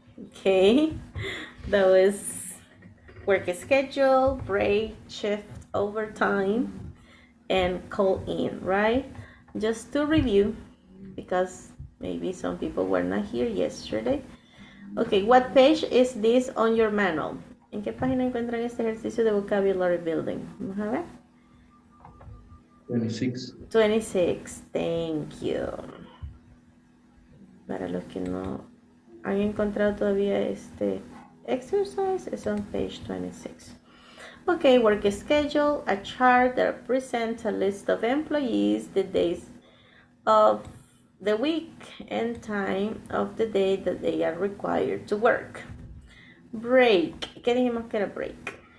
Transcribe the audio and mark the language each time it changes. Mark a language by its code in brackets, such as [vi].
[en] Okay, that was work schedule, break, shift, overtime, and call in, right? Just to review, because maybe some people were not here yesterday. Okay, what page is this on your manual? [es] ¿En qué página encuentran este ejercicio de vocabulary building? Vamos a ver. 26. [en] Thank you. [es] Para los que no han encontrado todavía este exercise, es [en] on page 26. Okay, work schedule, a chart that presents a list of employees, the days of the week, and time of the day that they are required to work. [es] Break. ¿Qué dijimos que era break?